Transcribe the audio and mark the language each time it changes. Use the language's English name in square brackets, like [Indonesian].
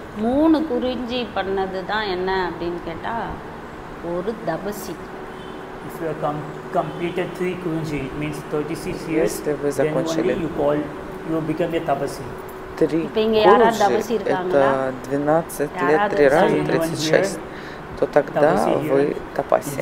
[Tamil] மூணு குறிஞ்சி பண்ணது தான் என்ன அப்படின்னு கேட்டா ஒரு தபசி. [English] If you have completed 3 kurunji, it means 36 years, then only you become a tapasi. [Russian] Это 12 лет, 3 раза, 36, то тогда вы тапаси.